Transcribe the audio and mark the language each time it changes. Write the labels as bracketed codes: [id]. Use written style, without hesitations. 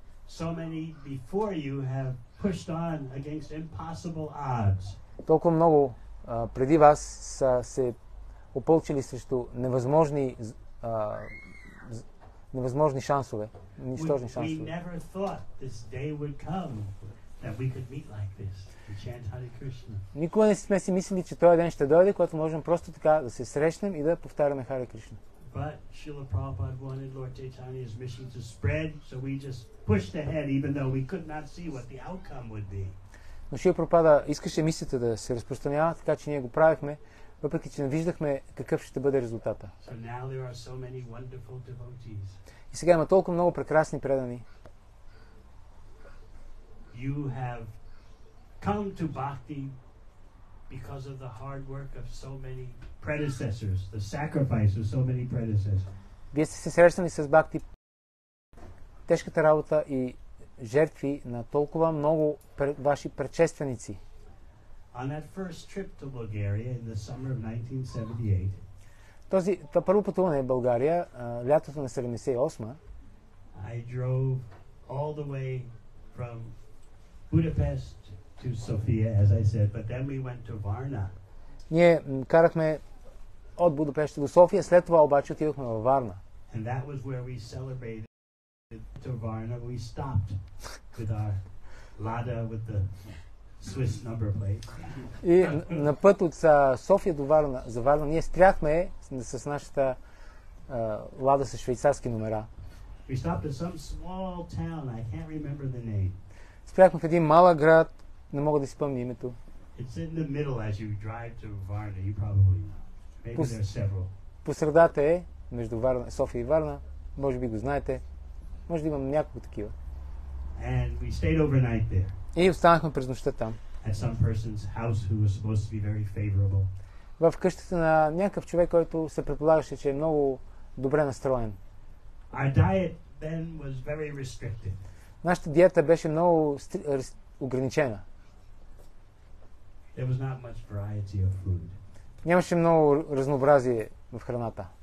[en] So many before you have pushed on against impossible odds. [bg] Толкова много преди вас са се опълчили срещу невъзможни невъзможни шансове, нищожни шансове. [en] We never thought this day would come that we could meet like this and chant Hare Krishna. [bg] Никога не сме си мислили, че този ден ще дойде, когато можем просто така да се срещнем и да повтаряме Хари Кришна. [en] But Srila Prabhupada wanted Lord Chaitanya's mission to spread, so we just pushed ahead even though we could not see what the outcome would be. [bg] Но Шрила Прабхупада искаше мисията да се разпространява, така че ние го правихме, въпреки че не виждахме какъв ще бъде резултата. [en] So now there are so many wonderful devotees. [bg] И сега има толкова много прекрасни предани. [en] You have come to bhakti because of the hard work of so many predecessors, the sacrifice of so many predecessors. [bg] Вие сте се срещнали с бхакти, тежката работа и жертви на толкова много ваши предшественици. [en] On that first trip to Bulgaria in the summer of 1978. [bg] Това първо пътуване в България, лятото на 78. [en] I drove all the way from Budapest to Sofia, as I said, but then we went to Varna. [bg] Ние карахме от Будапешта до София, след това обаче отидохме във Варна. [en] And that was where we celebrated to Varna. We stopped with our Lada with the Swiss number plate. [bg] И на път от София до Варна, за Варна, ние спряхме с нашата Лада с швейцарски номера. [en] We stopped at some small town. I can't remember the name. [bg] Спряхме в един малък град, не мога да си спомня името. [en] It's in the middle as you drive to Varna, you probably know. Maybe there are several. [bg] Посредата е между Варна, София и Варна, може би го знаете. Може да имам няколко такива. [en] And we stayed overnight there. [bg] И останахме през нощта там. [en] At some person's house who was supposed to be very favorable. [bg] В къщата на някакъв човек, който се предполагаше, че е много добре настроен. [en] Our diet then was very restricted. [bg] Нашата диета беше много ограничена. [en] There was not much variety of food. [bg] Нямаше много разнообразие в храната.